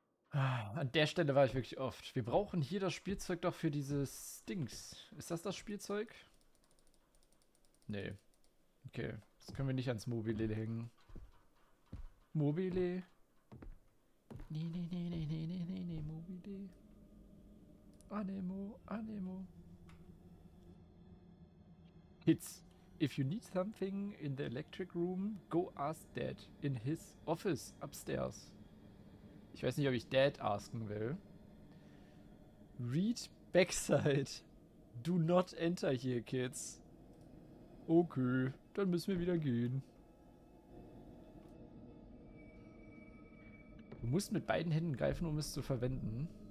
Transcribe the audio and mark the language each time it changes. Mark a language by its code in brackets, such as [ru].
[de] An der Stelle war ich wirklich oft. Wir brauchen hier das Spielzeug doch für dieses Dings. Ist das das Spielzeug? Nee. Okay, das können wir nicht ans Mobile hängen. Mobile? Nee, nee, nee, nee, nee, nee, nee, nee, Mobile. Anemo, Anemo. [en] Hits. If you need something in the electric room, go ask Dad in his office upstairs. [de] Ich weiß nicht, ob ich Dad asken will. [en] Read backside. Do not enter here, kids. [de] Okay, dann müssen wir wieder gehen. Du musst mit beiden Händen greifen, um es zu verwenden.